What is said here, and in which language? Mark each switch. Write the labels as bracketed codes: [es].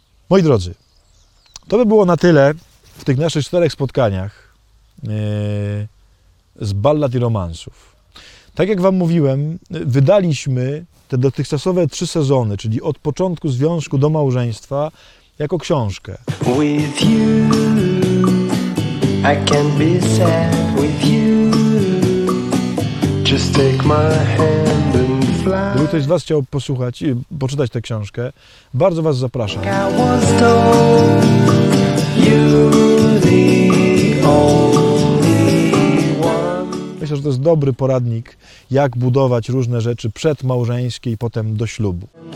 [pl] Moi drodzy, to by było na tyle w tych naszych czterech spotkaniach z ballad i romansów. Tak jak wam mówiłem, wydaliśmy te dotychczasowe 3 sezony, czyli od początku związku do małżeństwa, jako książkę. [en] With you, I can be sad with you. Just take my hand and fly. [pl] Gdyby ktoś z was chciał posłuchać i poczytać tę książkę, bardzo was zapraszam. [en] I was told you the only one. [pl] Myślę, że to jest dobry poradnik, jak budować różne rzeczy przed małżeńskie i potem do ślubu.